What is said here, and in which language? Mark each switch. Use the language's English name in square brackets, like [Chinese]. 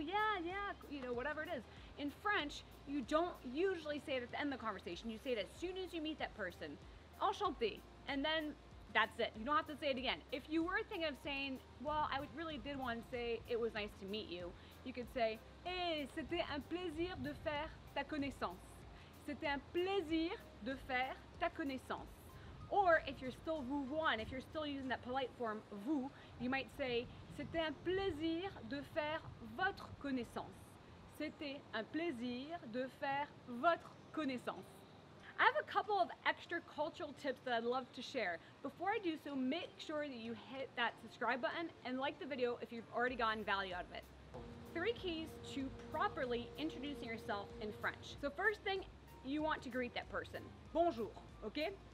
[English] Yeah, yeah, you know, whatever it is. In French, you don't usually say it at the end of the conversation. You say it as soon as you meet that person. [French] Enchanté. [English] And then that's it. You don't have to say it again. If you were thinking of saying, well, I really did want to say it was nice to meet you, you could say, hey, [French] c'était un plaisir de faire ta connaissance. C'était un plaisir de faire ta connaissance. [English] Or if you're still vous one, if you're still using that polite form vous, you might say, [French] c'était un plaisir de faire votre connaissance. C'était un plaisir de faire votre connaissance. [English] I have a couple of extra cultural tips that I'd love to share. Before I do so, make sure that you hit that subscribe button and like the video if you've already gotten value out of it. Three keys to properly introducing yourself in French. So first thing, you want to greet that person. Bonjour, okay?